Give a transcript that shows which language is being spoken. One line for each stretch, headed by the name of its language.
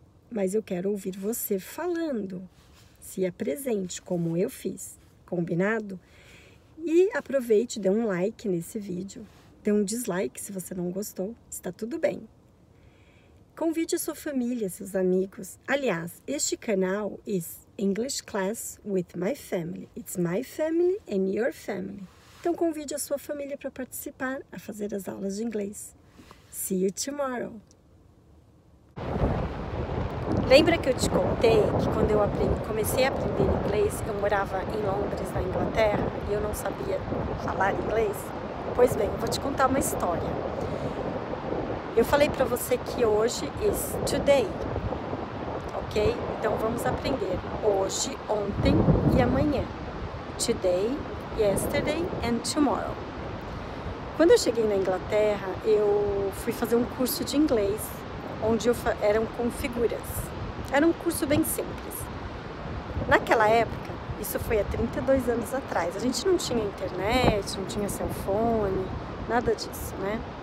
Portuguese: Mas eu quero ouvir você falando, se é presente, como eu fiz, combinado? E aproveite, dê um like nesse vídeo, dê um dislike se você não gostou, está tudo bem. Convide a sua família, seus amigos. Aliás, este canal
English: is English Class with my family. It's my family and your family.
Portuguese: Então, convide a sua família para participar a fazer as aulas de inglês.
English: See you tomorrow.
Portuguese: Lembra que eu te contei que quando eu comecei a aprender inglês, eu morava em Londres, na Inglaterra, e eu não sabia falar inglês? Pois bem, eu vou te contar uma história. Eu falei para você que hoje
English: is today, ok?
Portuguese: Então vamos aprender hoje, ontem e amanhã.
English: Today, yesterday and tomorrow.
Portuguese: Quando eu cheguei na Inglaterra, eu fui fazer um curso de inglês, onde eram com figuras. Era um curso bem simples. Naquela época, isso foi há 32 anos atrás, a gente não tinha internet, não tinha cell phone, nada disso, né?